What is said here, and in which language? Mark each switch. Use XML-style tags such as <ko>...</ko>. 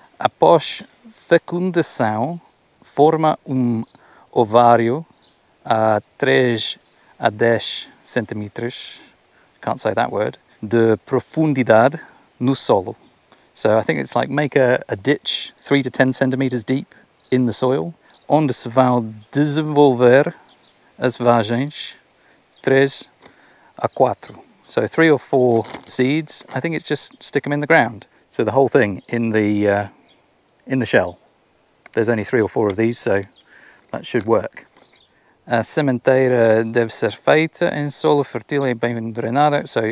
<pt>Após fecundação, forma ovário a 3 a 10 centimetres,</pt> <en>can't say that word,</en> <pt>de profundidade no solo.</pt> <en>So I think it's like make a ditch 3 to 10 centimetres deep in the soil,</en> <pt>onde se vão desenvolver as vagens 3 a 4.</pt> <en>So 3 or 4 seeds, I think it's just stick them in the ground. So the whole thing in the shell. There's only 3 or 4 of these, so that should work.</en> <pt>A sementeira deve ser feita em solo fertil e bem drenado.</pt>